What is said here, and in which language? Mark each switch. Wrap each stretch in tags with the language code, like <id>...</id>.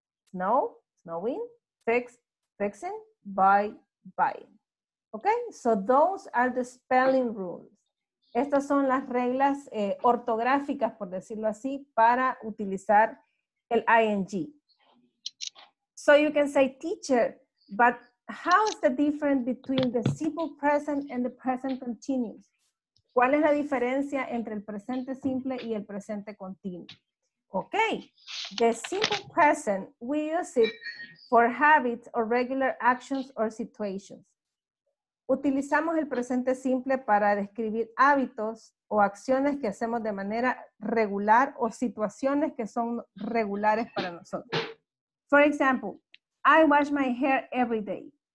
<en>Snow, snowing, fix, fixing, buy, buying. Okay, so those are the spelling rules.</en> <es>Estas son las reglas ortográficas, por decirlo así, para utilizar el ing.</es> <en>So you can say, teacher, but how is the difference between the simple present and the present continuous?</en> <es>¿Cuál es la diferencia entre el presente simple y el presente continuo?</es> <en>Ok, the simple present, we use it for habits or regular actions or situations.</en> <es>Utilizamos el presente simple para describir hábitos o acciones que hacemos de manera regular o situaciones que son regulares para nosotros.</es> <en>For example, I wash my hair every day.</en>